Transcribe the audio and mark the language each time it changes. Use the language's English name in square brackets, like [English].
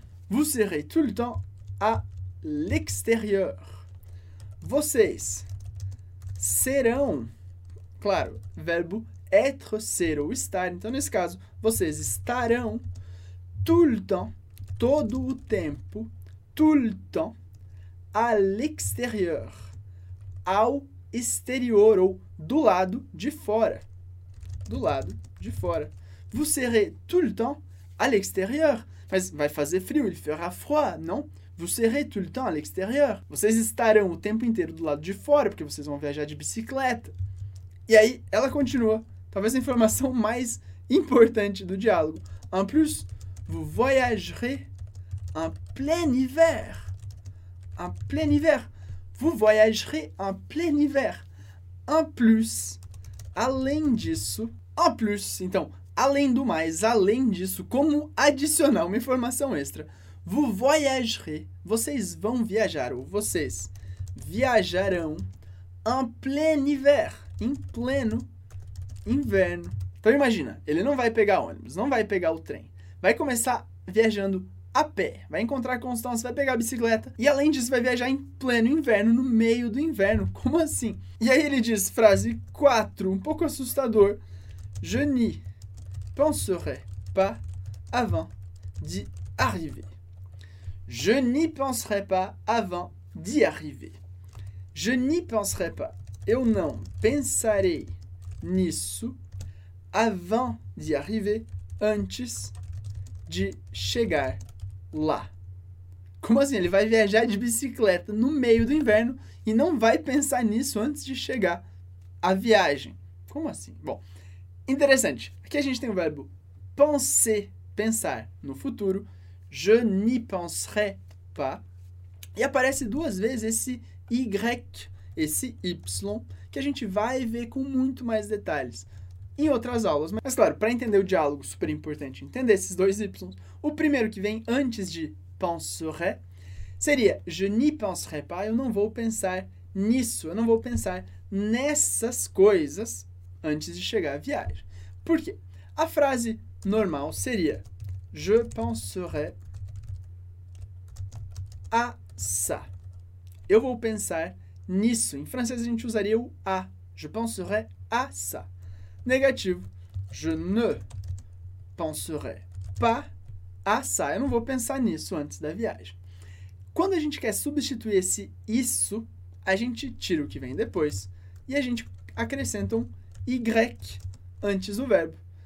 [French] Vous serez tout le temps à l'extérieur. [Portuguese] Vocês serão, claro, verbo être, ser ou estar. Então, nesse caso, vocês estarão [French] tout le temps, [Portuguese] todo o tempo, tout le temps, [French] à l'extérieur, [Portuguese] ao exterior, ou do lado de fora. Do lado de fora. [French] Vous serez tout le temps à l'extérieur. [Portuguese] Mas vai fazer frio, [French] il fera froid, [Portuguese] não? [French] Vous serez tout le temps à l'extérieur. [Portuguese] Vocês estarão o tempo inteiro do lado de fora, porque vocês vão viajar de bicicleta. E aí, ela continua. Talvez a informação mais importante do diálogo. [French] En plus, vous voyagerez en plein hiver. En plein hiver. Vous voyagerez en plein hiver. [Portuguese] En plus, além disso. [French] En plus, [Portuguese] então, além do mais, além disso, como adicionar uma informação extra. [French] Vous voyagerez. [Portuguese] Vocês vão viajar, ou vocês viajarão [French] en plein hiver. [Portuguese] Em pleno inverno. Então imagina, ele não vai pegar ônibus, não vai pegar o trem. Vai começar viajando a pé. Vai encontrar Constance, vai pegar a bicicleta. E além disso, vai viajar em pleno inverno, no meio do inverno. Como assim? E aí ele diz, frase 4, um pouco assustador. [French] Je n'y penserai pas avant d'y arriver. Je n'y penserai pas avant d'y arriver. Je n'y penserai pas. [Portuguese] Eu não pensarei nisso [French] avant d'y arriver, [Portuguese] antes de chegar lá. Como assim? Ele vai viajar de bicicleta no meio do inverno e não vai pensar nisso antes de chegar à viagem. Como assim? Bom, interessante. Aqui a gente tem o verbo penser, pensar no futuro. [French] Je n'y penserai pas. [Portuguese] E aparece duas vezes esse Y, esse Y, que a gente vai ver com muito mais detalhes em outras aulas. Mas claro, para entender o diálogo, super importante entender esses dois Y. O primeiro que vem antes de penserai seria [French] je n'y penserai pas, [Portuguese] eu não vou pensar nisso, eu não vou pensar nessas coisas antes de chegar à viagem. Por quê? A frase normal seria [French] je penserai à ça. [Portuguese] Eu vou pensar nisso. Em francês a gente usaria o a. [French] Je penserai à ça. [Portuguese] Negativo. [French] Je ne penserai pas à ça. [Portuguese] Eu não vou pensar nisso antes da viagem. Quando a gente quer substituir esse isso, a gente tira o que vem depois e a gente acrescenta um y antes do verbo.